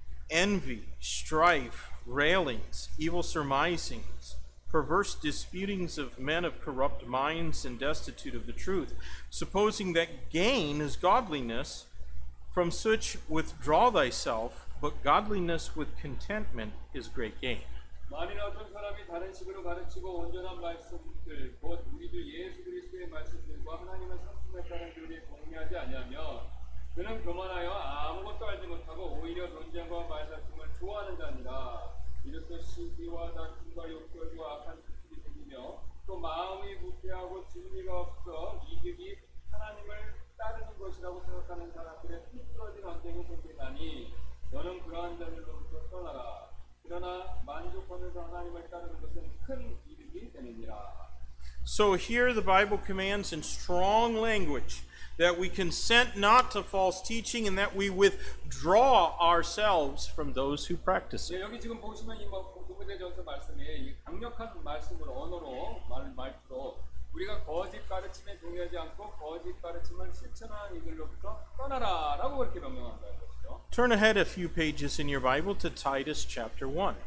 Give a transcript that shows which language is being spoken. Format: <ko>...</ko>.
<en>envy, strife, railings, evil surmisings, perverse disputings of men of corrupt minds and destitute of the truth, supposing that gain is godliness. From such withdraw thyself, but godliness with contentment is great gain.</en> <ko>만일 어떤 사람이 다른 식으로 가르치고 온전한 말씀들 곧 우리도 예수 그리스도의 말씀들과 하나님의 성품에 따른 교리에 동의하지 아니하며 그는 교만하여 아무것도 알지 못하고 오히려 논쟁과 말다툼을 좋아하는 자니라. 이로써 시기와 다툼과 욕설과 악한 짓들이 생기며 또 마음이 부패하고 진리가 없어 이득이 하나님을 따르는 것이라고 생각하는 사람들의 흐트러진 언쟁이 생기나니 너는 그러한 자들로부터 떠나라. 그러나 만족하면서 하나님을 따르는 것은 큰 이득이 되느니라.</ko> <en>So here the Bible commands in strong language that we consent not to false teaching and that we withdraw ourselves from those who practice it.</en> <ko>네, 여기 지금 보시면 이 고린도전서 말씀에 이 강력한 말씀을 언어로 말투로 우리가 거짓 가르침에 동의하지 않고 거짓 가르침을 실천하는 이들로부터 떠나라라고 그렇게 명령한다.</ko> <en>Turn ahead a few pages in your Bible to Titus chapter 1.</en>